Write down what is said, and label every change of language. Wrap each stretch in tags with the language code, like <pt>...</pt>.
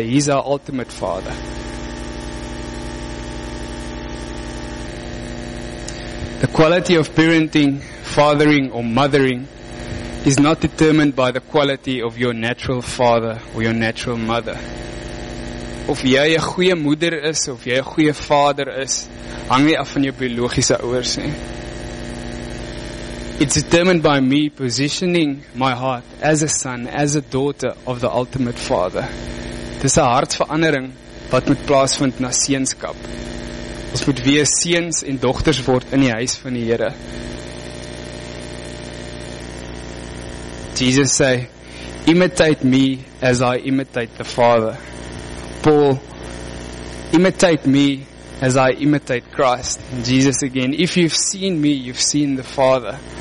<en>He's our ultimate father. The quality of parenting, fathering, or mothering is not determined by the quality of your natural father or your natural mother.</en> <af>Of jy 'n goeie moeder is, of jy 'n goeie vader is, hang nie af van jou biologiese ouers nie.</af> <en>It's determined by me positioning my heart as a son, as a daughter of the ultimate father.</en> <af>Dis 'n hartverandering wat moet plaasvind na seenskap. Ons moet weer seuns en dogters word in die huis van die Here.</af> <en>Jesus sê, imitate me as I imitate the Father. Paul, imitate me as I imitate Christ. And Jesus again, if you've seen me, you've seen the Father.</en>